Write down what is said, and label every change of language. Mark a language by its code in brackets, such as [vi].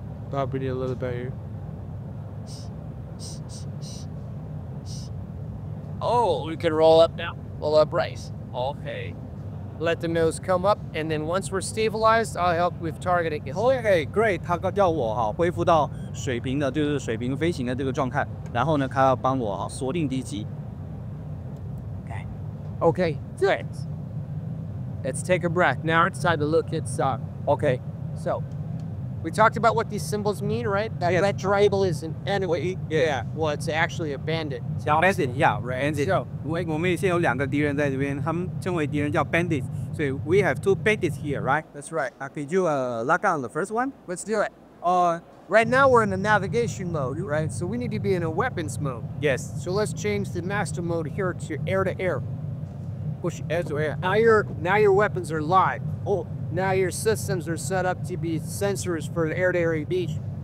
[en] Probably a little better. Oh, we can roll up now. Roll up right. Okay. Let the nose come up, and then once we're stabilized, I'll help with targeting. Okay, great. [zh] 他叫我哈恢复到水平的，就是水平飞行的这个状态。然后呢，他要帮我哈锁定敌机。 [en] Okay. Okay. Good. Let's take a breath. Now it's time to look at some. Okay. So, we talked about what these symbols mean, right? That red triangle is an enemy. Yeah. Well, it's actually a bandit. Bandit, yeah, bandit. [zh] 我们现在有两个敌人在这边，他们称为敌人叫 bandits， 所以 [en] we have two bandits here， right？ That's right。 Could you lock on the first one？ Let's do it。 Right now we're in a navigation mode， right？ So we need to be in a weapons mode。 Yes。 So let's change the master mode here to air to air。 Push air to air。 Now your weapons are live。 Oh。 Now your systems are set up to be sensors for an air to air beach。